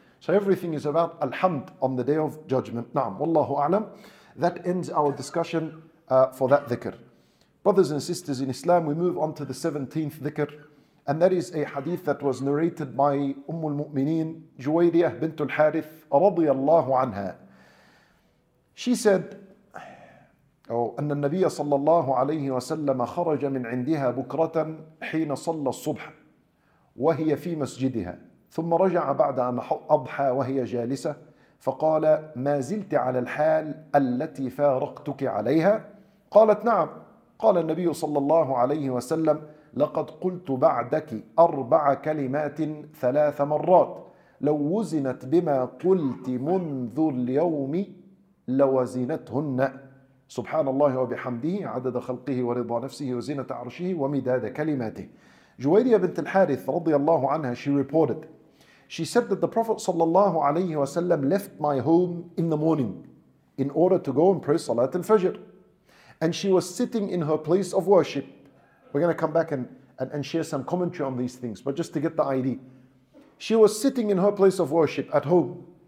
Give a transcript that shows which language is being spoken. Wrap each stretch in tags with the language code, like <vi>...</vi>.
<en>So everything is about Alhamd on the Day of Judgment. Naam, Wallahu A'lam. That ends our discussion for that dhikr. Brothers and sisters in Islam, we move on to the 17th dhikr. And that is a hadith that was narrated by Ummul Mu'mineen, Juwayriyah bintul Harith, radiyallahu anha. She said,</en> <ar>أن النبي صلى الله عليه وسلم خرج من عندها بكرة حين صلى الصبح وهي في مسجدها ثم رجع بعد أن أضحى وهي جالسة فقال ما زلت على الحال التي فارقتك عليها؟ قالت نعم. قال النبي صلى الله عليه وسلم لقد قلت بعدك 4 كلمات 3 مرات لو وزنت بما قلت منذ اليوم لوزنتهن سبحان الله وبحمده عدد خلقه ورضا نفسه وزنة عرشه ومداد كلماته.</ar> <en>جويريه بنت الحارث رضي الله عنها, she reported, she said that the Prophet صلى الله عليه وسلم left my home in the morning in order to go and pray Salat al-Fajr, and she was sitting in her place of worship. We're going to come back and share some commentary on these things, but just to get the idea, she was sitting in her place of worship at home.</en>